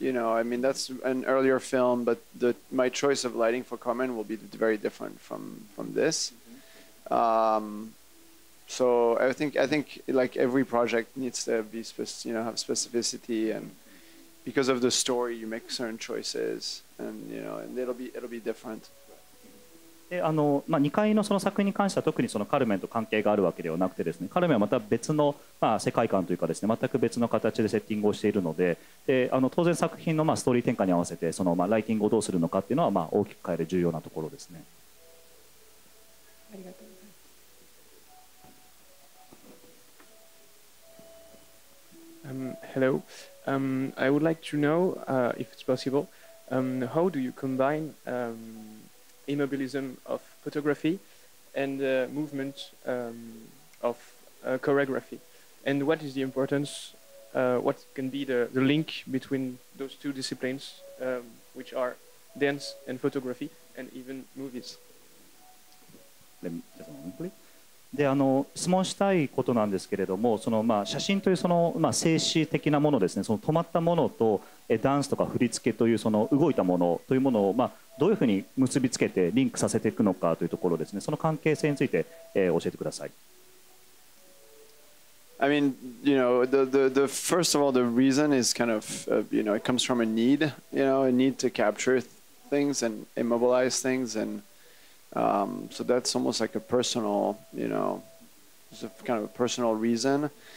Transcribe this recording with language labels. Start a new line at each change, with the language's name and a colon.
English: You know, I mean, that's an earlier film, but my choice of lighting for Carmen will be very different from this. So I think like every project needs to be have specificity, and because of the story you make certain choices, and you know, and it'll be different.
Japanese: で、まあ、2階のその作品に関しては特にそのカルメンと関係があるわけではなくてですね、カルメンはまた別の、まあ、世界観というかですね、全く別の形でセッティングをしているので、で当然作品のまあストーリー展開に合わせてそのまあライティングをどうするのかっていうのはまあ大きく変える重要なところですね。ありがとう。
English: Hello. I would like to know, if it's possible, how do you combine immobilism of photography and movement of choreography? And what is the importance, what can be the link between those two disciplines, which are dance and photography and even movies? Let me just a moment, please.
Japanese: で質問したいことなんですけれども、その、まあ、写真というその、まあ、静止的なものですね、その止まったものとダンスとか振り付けというその動いたものというものを、まあ、どういうふうに結びつけてリンクさせていくのかというところですね、その関係性について、教えてください。
English: I mean, you know, the first of all, the reason is kind of, you know, it comes from a need, you know, a need to capture things and immobilize things and So that's almost like a personal, you know, it's a kind of a personal reason.